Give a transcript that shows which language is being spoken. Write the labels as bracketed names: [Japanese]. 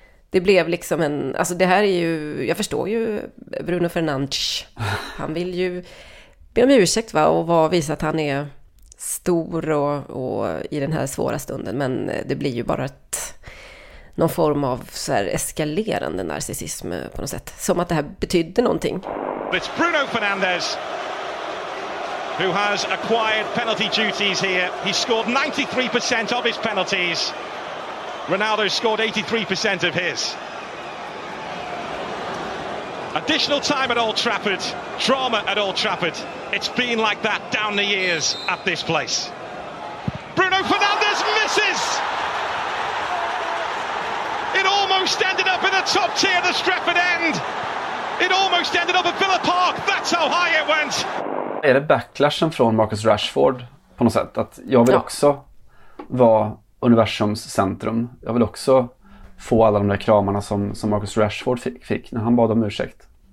[Swedish] Det blev liksom en... Alltså det här är ju... Jag förstår ju Bruno Fernandes. Han vill ju be om ursäkt, va? Och visa att han är stor och i den här svåra stunden. Men det blir ju bara ett... Någon form av så här eskalerande narcissism på något sätt. Som att det här betydde någonting. [English] It's Bruno Fernandes who has acquired penalty duties here. He scored 93% of his penalties. Ronaldo scored 83% of his. Additional time at Old Trafford. Drama at Old Trafford. It's been like that down the years at this place. Bruno Fernandes misses! It almost ended up in the top tier, the Stretford end. It almost ended up at Villa Park. That's how high it went. [Swedish] Är det backlashen från Marcus Rashford på något sätt? Att jag vill också vara universums centrum. Jag vill också få alla de där kramarna som Marcus Rashford fick när han bad om ursäkt.